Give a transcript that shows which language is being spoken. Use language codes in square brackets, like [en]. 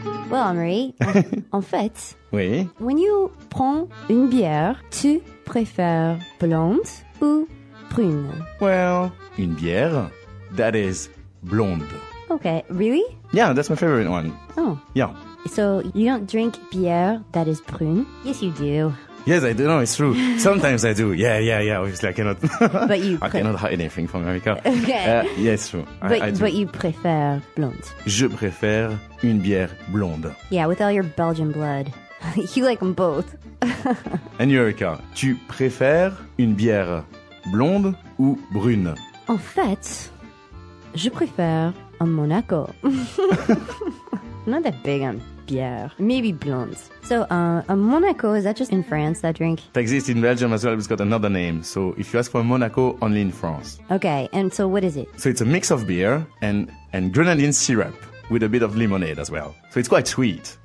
[fr] Well, Henri, en fait, oui. [en] When you [fr] prends une bière, tu préfères blonde ou brune? [en] Well, [fr] une bière, [en] that is blonde. Okay, really? Yeah, that's my favorite one. Oh. Yeah. So, you don't drink bière that is brune? Yes, you do. Yes, I do. No, it's true. Sometimes I do. Yeah. Obviously, I cannot. But you. I cannot hide anything from America. Okay. Yeah, it's true. But you prefer blonde. [fr] Je préfère une bière blonde. [en] Yeah, with all your Belgian blood, you like them both. And you, [fr] Erica, tu préfères une bière blonde ou brune? En fait, je préfère un Monaco. [en] Not that big on bière. Maybe blonde. So, a Monaco, is that just in France, that drink? It exists in Belgium as well, it's got another name. So, if you ask for a Monaco, only in France. Okay, and so what is it? So, it's a mix of beer and grenadine syrup with a bit of lemonade as well. So, it's quite sweet.